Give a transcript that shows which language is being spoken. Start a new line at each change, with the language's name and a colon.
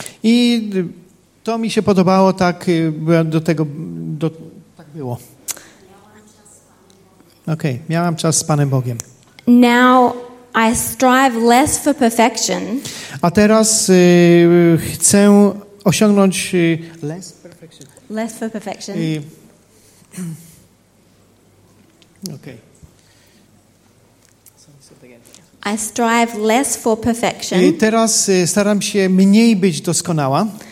Polish: I to mi się podobało, tak do tego do tak było. Okay, miałam czas z Panem Bogiem.
English: Now I strive less for perfection.
Polish: A teraz chcę osiągnąć
English: less for perfection. Okay. I strive less for perfection.
Polish: I teraz staram się mniej być doskonała.